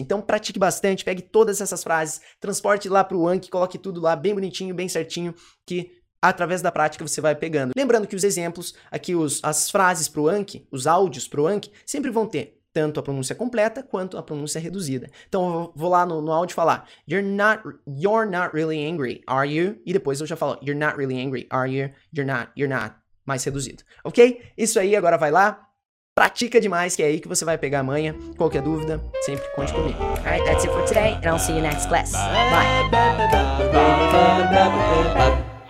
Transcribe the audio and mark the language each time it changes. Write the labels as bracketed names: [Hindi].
[Portuguese] Então, pratique bastante, pegue todas essas frases, transporte lá pro Anki, coloque tudo lá bem bonitinho, bem certinho, que através da prática você vai pegando. Lembrando que os exemplos, aqui as frases pro Anki, os áudios pro Anki, sempre vão ter tanto a pronúncia completa quanto a pronúncia reduzida. Então, eu vou lá no áudio falar, [English] you're not really angry, are you? [Portuguese] E depois eu já falo, [English] you're not really angry, are you? You're not, [Portuguese] mais reduzido. Ok? Isso aí, agora vai lá, pratica demais, que é aí que você vai pegar a manha. Qualquer dúvida, sempre conte comigo. [English] All right, that's it for today, and I'll see you next class. Bye.